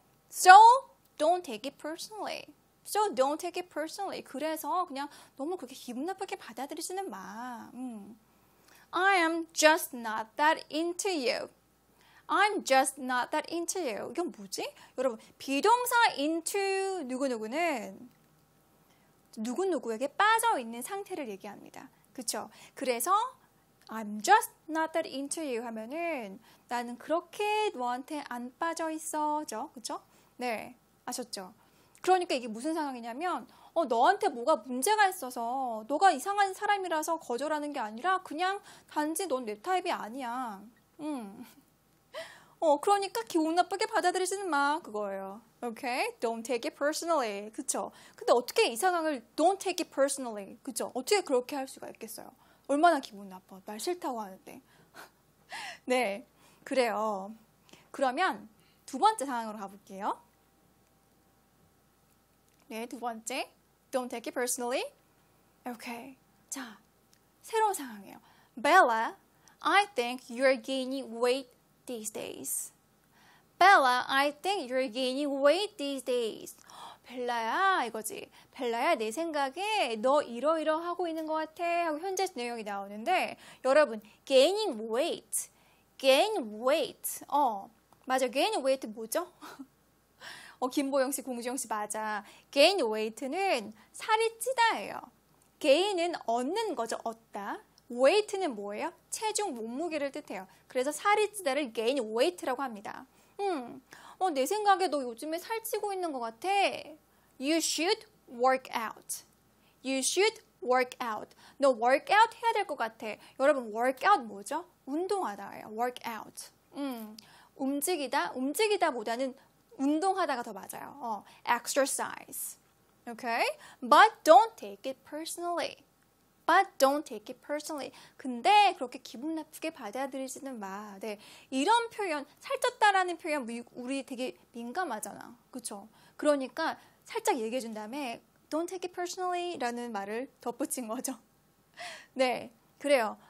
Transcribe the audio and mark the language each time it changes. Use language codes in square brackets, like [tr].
[en] So don't take it personally. So don't take it personally. [ko] 그래서 그냥 너무 그렇게 기분 나쁘게 받아들이지는 마. [en] I am just not that into you. I'm just not that into you. [ko] 이건 뭐지? 여러분, 비동사 into 누구누구는 누구누구에게 빠져있는 상태를 얘기합니다. 그쵸? 그래서 [en] I'm just not that into you [ko] 하면은 나는 그렇게 너한테 안 빠져있어죠. 그쵸? 네, 아셨죠? 그러니까 이게 무슨 상황이냐면 너한테 뭐가 문제가 있어서 너가 이상한 사람이라서 거절하는 게 아니라 그냥 단지 넌 내 타입이 아니야. 그러니까 기분 나쁘게 받아들이지는 마 그거예요. [en] Okay? Don't take it personally. [ko] 그쵸? 근데 어떻게 이 상황을 [en] don't take it personally. [ko] 그쵸? 어떻게 그렇게 할 수가 있겠어요? 얼마나 기분 나빠. 날 싫다고 하는데. 네. 그래요. 그러면 두 번째 상황으로 가볼게요. 네. 두 번째. [en] Don't take it personally. [ko] Okay. 자. 새로운 상황이에요. [en] Bella, I think you're gaining weight these days. Bella, I think you're gaining weight these days. [ko] 벨라야, 이거지. 벨라야, 내 생각에 너 이러이러하고 있는 것 같아. 하고 현재 내용이 나오는데 여러분, gaining weight. [en] Gain weight. 맞아. [ko] Gain weight 뭐죠? 김보영 씨, 공주영 씨 맞아. Gain weight는 살이 찌다예요. Gain은 얻는 거죠. 얻다. Weight는 뭐예요? 체중 몸무게를 뜻해요. 그래서 살이 찌다를 gain weight라고 합니다. 내 생각에 너 요즘에 살찌고 있는 것 같아. [en] You should work out. You should work out. [ko] 너 workout 해야 될 것 같아. 여러분, workout 뭐죠? 운동하다예요. Workout. 움직이다? 움직이다보다는 운동하다가 더 맞아요. [en] Exercise. Okay? But don't take it personally. But don't take it personally. [ko] 근데 그렇게 기분 나쁘게 받아들이지는 마. 네. 이런 표현, 살쪘다라는 표현 우리 되게 민감하잖아. 그렇죠? 그러니까 살짝 얘기해 준 다음에 [en] don't take it personally [ko] 라는 말을 덧붙인 거죠. 네. 그래요.